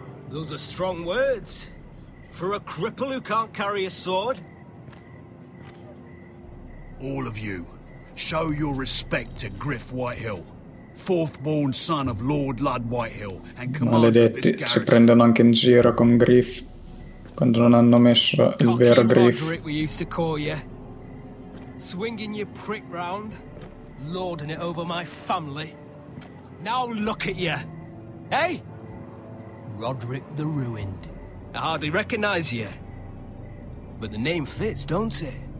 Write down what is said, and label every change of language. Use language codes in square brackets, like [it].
[en] Those are strong words for a cripple who can't carry a sword. All of you, show your respect to Griff Whitehill, fourth-born son of Lord Lud Whitehill, and commander. [it] Maledetti, si prendono anche in giro con Griff. Quando non hanno messo il vero Griff. [en] We used to call you. Swinging your prick round, lording it over my family. Now look at you, hey, Rodrik the Ruined. I hardly recognize you, but the name fits, don't it?